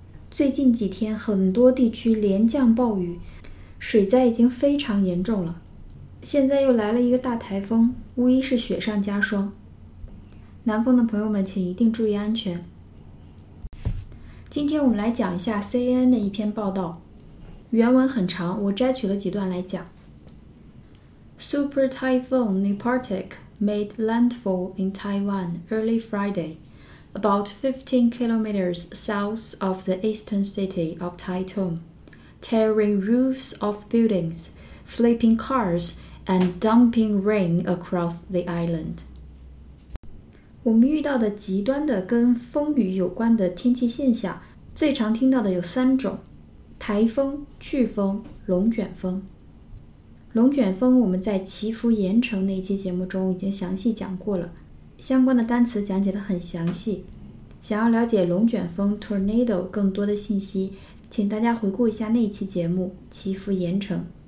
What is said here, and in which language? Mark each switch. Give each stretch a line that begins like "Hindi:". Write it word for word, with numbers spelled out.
Chinese: 最近几天很多地区连降暴雨，水灾已经非常严重了，现在又来了一个大台风，无疑是雪上加霜。南方的朋友们请一定注意安全。今天我们来讲一下 C N N 的一篇报道，原文很长，我摘取了几段来讲。
English: Super Typhoon Nepatak made landfall in Taiwan early Friday. About fifteen kilometers south of the eastern city of Taitung, tearing roofs off buildings, flipping cars, and dumping rain across the island.
Chinese: 我们遇到的极端的跟风雨有关的天气现象，最常听到的有三种：台风、飓风、龙卷风。龙卷风我们在祈福盐城那一期节目中已经详细讲过了。相关的单词讲解得很详细，想要了解龙卷风 Tornado 更多的信息，请大家回顾一下那一期节目祈福盐城。